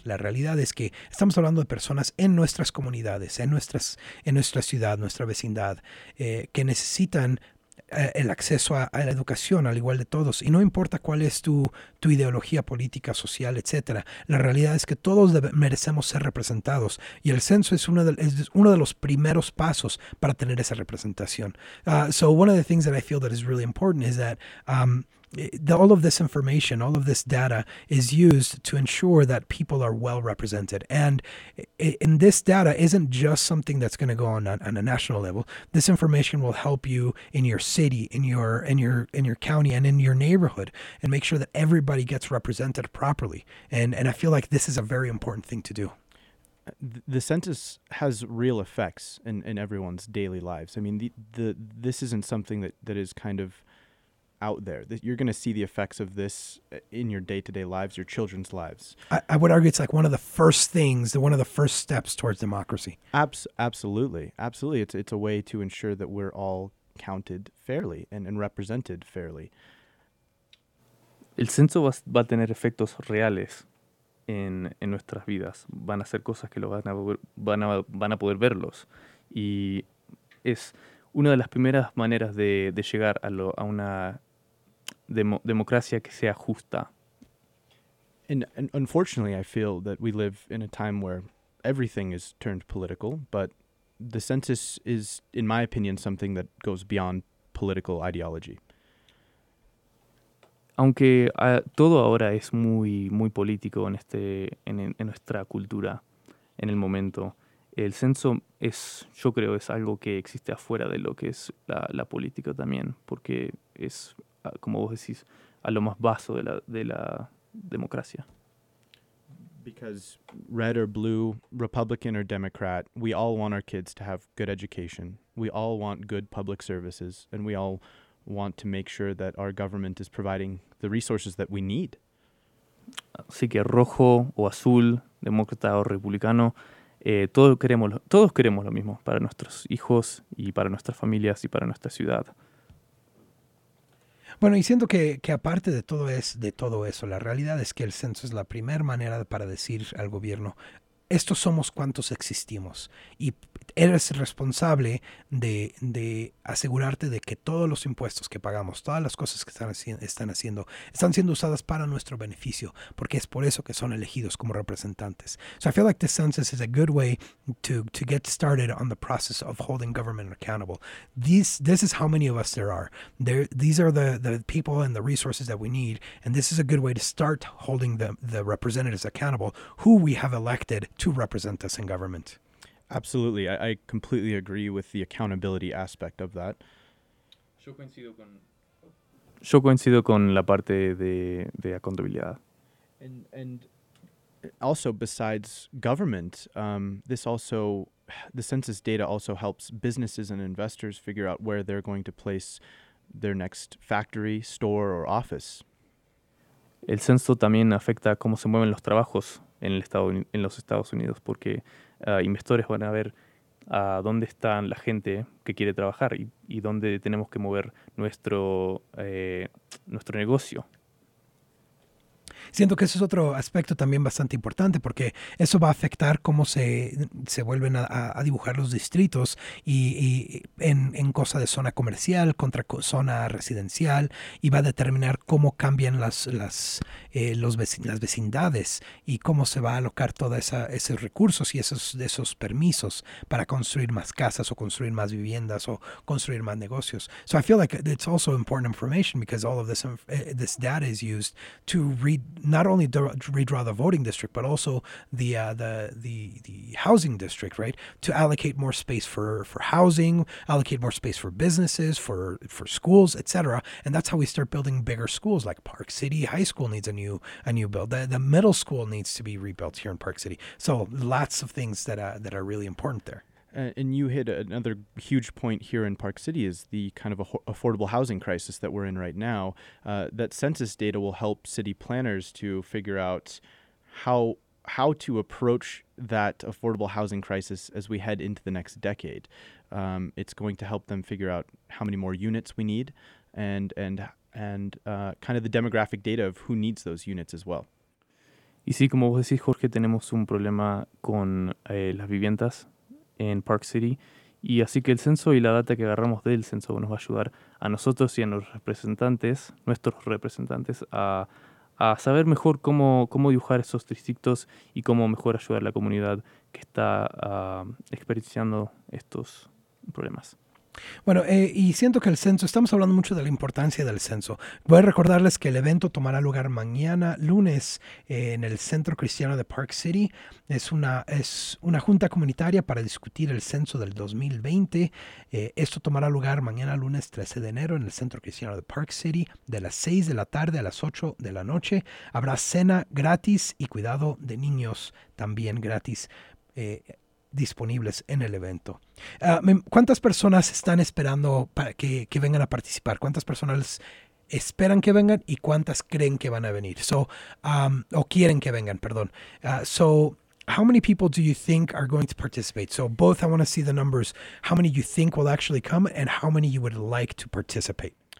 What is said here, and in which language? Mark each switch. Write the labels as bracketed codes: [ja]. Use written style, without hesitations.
[es] La realidad es que estamos hablando de personas en nuestras comunidades, en nuestra ciudad, nuestra vecindad, que necesitan el acceso a la educación al igual de todos. Y no importa cuál es tu ideología política, social, etcétera. La realidad es que todos merecemos ser representados. Y el censo es uno de los primeros pasos para tener esa representación. [en] So one of the things that I feel that is really important is that all of this information, all of this data is used to ensure that people are well represented. And this data isn't just something that's going to go on a national level. This information will help you in your city, in your county, and in your neighborhood, and make sure that everybody gets represented properly. And I feel like this is a very important thing to do. The census has real effects in everyone's daily lives. I mean, this isn't something that is kind of out there. You're going to see the effects of this in your day-to-day lives, your children's lives. I would argue it's like one of the first things, one of the first steps towards democracy. Absolutely. It's a way to ensure that we're all counted fairly and represented fairly. [es] El censo va a tener efectos reales en nuestras vidas. Van a ser cosas que lo van a poder verlos. Y es una de las primeras maneras de llegar a una democracia que sea justa. [en] And unfortunately, I feel that we live in a time where everything is turned political, but the census is, in my opinion, something that goes beyond political ideology. [es] Aunque todo ahora es muy, muy político en nuestra cultura, en el momento, el censo es, yo creo, es algo que existe afuera de lo que es la política también, porque es, como vos decís, a lo más vaso de la democracia. [en] Because red or blue, Republican or Democrat, we all want our kids to have good education, we all want good public services, and we all want to make sure that our government is providing the resources that we need. [es] Así que rojo o azul, demócrata o republicano, todos queremos lo mismo para nuestros hijos y para nuestras familias y para nuestra ciudad. Bueno, y siento que aparte de todo eso, la realidad es que el censo es la primera manera para decir al gobierno, estos somos cuantos existimos y eres responsable de asegurarte de que todos los impuestos que pagamos, todas las cosas que están haciendo, están siendo usadas para nuestro beneficio, porque es por eso que son elegidos como representantes. [en] So I feel like the census is a good way to get started on the process of holding government accountable. This is how many of us there are. These are the people and the resources that we need, and this is a good way to start holding the representatives accountable who we have elected to represent us in government. Absolutely. I completely agree with the accountability aspect of that. [es] Yo coincido con la parte de accountability. [en] And also, besides government, the census data also helps businesses and investors figure out where they're going to place their next factory, store, or office. [es] El censo también afecta cómo se mueven los trabajos en los Estados Unidos, porque inversores van a ver dónde está la gente que quiere trabajar y dónde tenemos que mover nuestro negocio. Siento que ese es otro aspecto también bastante importante, porque eso va a afectar cómo se vuelven a dibujar los distritos y en cosa de zona comercial contra zona residencial, y va a determinar cómo cambian las vecindades y cómo se va a alocar todos esos recursos y esos permisos para construir más casas o construir más viviendas o construir más negocios. [en] So I feel like it's also important information, because all of this data is used to read, not only redraw the voting district, but also the housing district, right? To allocate more space for housing, allocate more space for businesses, for schools, etc. And that's how we start building bigger schools, like Park City High School needs a new build. The middle school needs to be rebuilt here in Park City. So lots of things that are really important there. And you hit another huge point here in Park City, is the kind of affordable housing crisis that we're in right now. That census data will help city planners to figure out how to approach that affordable housing crisis as we head into the next decade. It's going to help them figure out how many more units we need and kind of the demographic data of who needs those units as well. [es] Y sí, como vos decís, Jorge, tenemos un problema con las viviendas en Park City, y así que el censo y la data que agarramos del censo nos va a ayudar a nosotros y a nuestros representantes, a saber mejor cómo dibujar esos distritos y cómo mejor ayudar a la comunidad que está experienciando estos problemas. Bueno, y siento que el censo, estamos hablando mucho de la importancia del censo. Voy a recordarles que el evento tomará lugar mañana, lunes, en el Centro Cristiano de Park City. Es una junta comunitaria para discutir el censo del 2020. Esto tomará lugar mañana, lunes 13 de enero, en el Centro Cristiano de Park City, de las 6 de la tarde a las 8 de la noche. Habrá cena gratis y cuidado de niños también gratis. Disponibles en el evento. ¿Cuántas personas están esperando para que vengan a participar? ¿Cuántas personas esperan que vengan y cuántas creen que van a venir. So, o quieren que vengan, perdón. [en] So, how many people do you think are going to participate? So, both, I want to see the numbers. How many you think will actually come and how many you would like to participate?